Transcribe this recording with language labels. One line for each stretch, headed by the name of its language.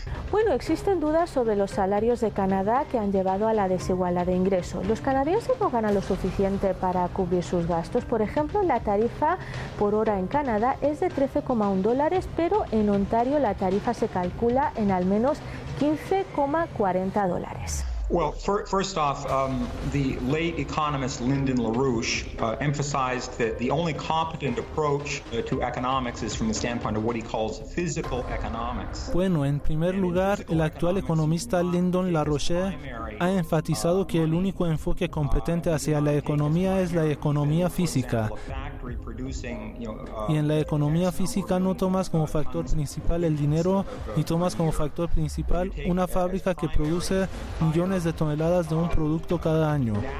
Spanish: Bueno, existen dudas sobre los salarios de Canadá que han llevado a la desigualdad de ingresos. ¿Los canadienses no ganan lo suficiente para cubrir sus gastos? Por ejemplo, la tarifa por hora en Canadá es de $13.1, pero en Ontario la tarifa se calcula en al menos $15.40.
English: Well, first off, the late economist Lyndon LaRouche emphasized that the only competent approach to economics is from the standpoint of what he calls physical economics.
Spanish: Bueno, en primer lugar, el actual economista Lyndon LaRouche ha enfatizado que el único enfoque competente hacia la economía es la economía física. Y en la economía física no tomas como factor principal el dinero, ni tomas como factor principal una fábrica que produce millones de toneladas de un producto cada año.